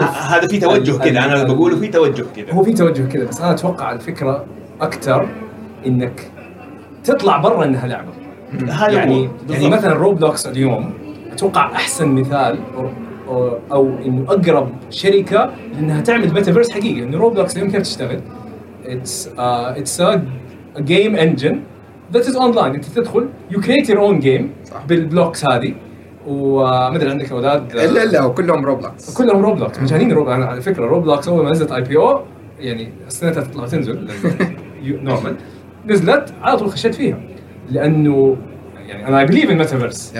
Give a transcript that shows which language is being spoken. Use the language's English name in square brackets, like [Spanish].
[Arabic] هذا في توجه كذا، انا بقوله في توجه كذا، هو في توجه كذا، بس انا اتوقع الفكره اكثر انك تطلع برا انها لعبه. يعني يعني مثلا روبلوكس اليوم اتوقع احسن مثال او انه اقرب شركه لانها تعمل ميتافيرس حقيقي. ان روبلوكس اليوم كيف تشتغل؟ [English] it's a game engine that is online. [Arabic] انت تدخل [English] you create your own game [Arabic] بالبلوكس هذه، وما ادري عندك اولاد الا لا وكلهم روبلوكس، كلهم روبلوكس مجانين روبلوكس. على فكره روبلوكس اول ما نزلت اي بي او يعني استنتها تطلع تنزل نورمال نزلت على طول خشيت فيها، لانه يعني انا بليف ان ميتافيرس،